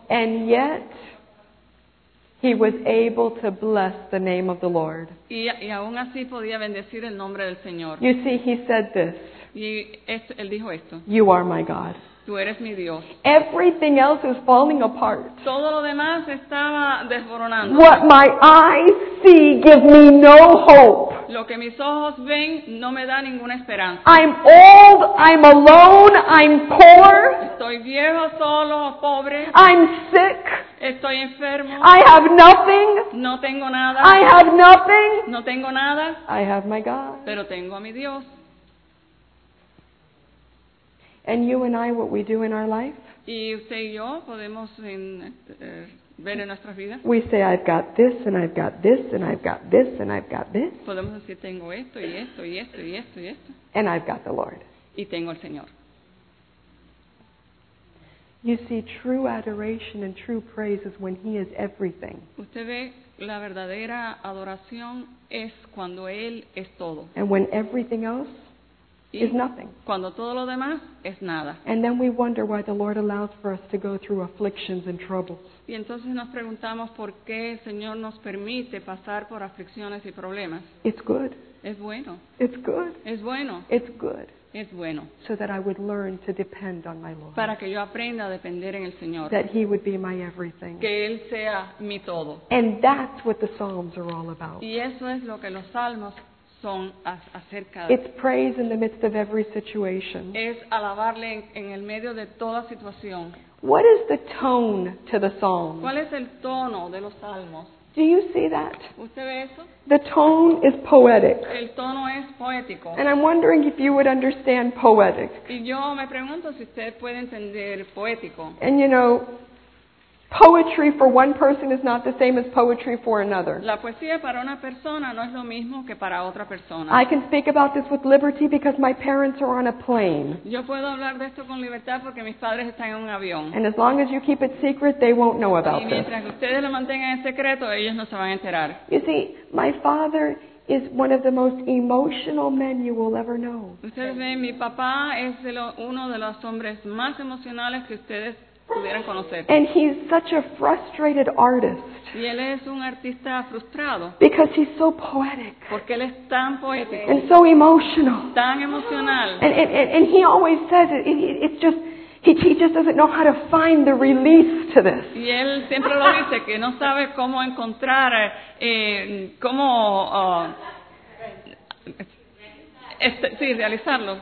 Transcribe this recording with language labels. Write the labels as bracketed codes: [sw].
[en] And yet, he was able to bless the name of the Lord. [es] Y aún así podía bendecir el nombre del Señor. [en] You see, he said this. [es] Él dijo esto. [en] You are my God. [es] Tú eres mi Dios. [en] Everything else is falling apart. [es] Todo lo demás estaba desmoronando. [en] What my eyes see give me no hope. [es] Lo que mis ojos ven no me da ninguna esperanza. [en] I'm old, I'm alone, I'm poor. [es] Estoy viejo, solo, pobre. [en] I'm sick. [es] Estoy enfermo. [en] I have nothing. [es] No tengo nada. [en] I have nothing. [es] No tengo nada. [en] I have my God. [es] Pero tengo a mi Dios. [en] And you and I, what we do in our life? [es] Y usted y yo podemos ver en nuestras vidas. [en] We say, I've got this, and I've got this, and I've got this, and I've got this. [es] Podemos decir, tengo esto, y esto, y esto, y esto, y esto. [en] And I've got the Lord. [es] Y tengo el Señor. [en] You see, true adoration and true praise is when He is everything. [es] Usted ve, la verdadera adoración es cuando Él es todo. [en] And when everything else is nothing. [es] Cuando todo lo demás es nada. [en] And then we wonder why the Lord allows for us to go through afflictions and troubles. [es] Y entonces nos preguntamos por qué el Señor nos permite pasar por aflicciones y problemas. [en] It's good. [es] Es bueno. [en] It's good. [es] Es bueno. [en] It's good. [es] Es bueno. [en] So that I would learn to depend on my Lord. [es] Para que yo aprenda a depender en el Señor. [en] That He would be my everything. [es] Que Él sea mi todo. [en] And that's what the Psalms are all about. [es] Y eso es lo que los Salmos. [en] It's praise in the midst of every situation. [es] Es alabarle en el medio de toda situación. [en] What is the tone to the psalm? [es] ¿Cuál es el tono de los salmos? [en] Do you see that? [es] ¿Usted ve eso? [en] The tone is poetic. [es] El tono es poético. [en] And I'm wondering if you would understand poetic. [es] Y yo me pregunto si usted puede entender poético. [en] And you know, poetry for one person is not the same as poetry for another. [es] La poesía para una persona no es lo mismo que para otra persona. [en] I can speak about this with liberty because my parents are on a plane. [es] Yo puedo hablar de esto con libertad porque mis padres están en un avión. [en] And as long as you keep it secret, they won't know about this. [es] Y mientras que ustedes lo mantengan en secreto, ellos no se van a enterar. [en] You see, my father is one of the most emotional men you will ever know. [es] Ustedes ven, mi papá es uno de los hombres más emocionales que ustedes. [en] And he's such a frustrated artist. [es] Y él es un artista frustrado. [en] Because he's so poetic. [es] Porque él es tan poético. [en] And so emotional. [es] Tan emocional. [en] And he always says it's just he just doesn't know how to find the release to this. [es] Y él siempre lo dice que no sabe cómo encontrar realizarlo.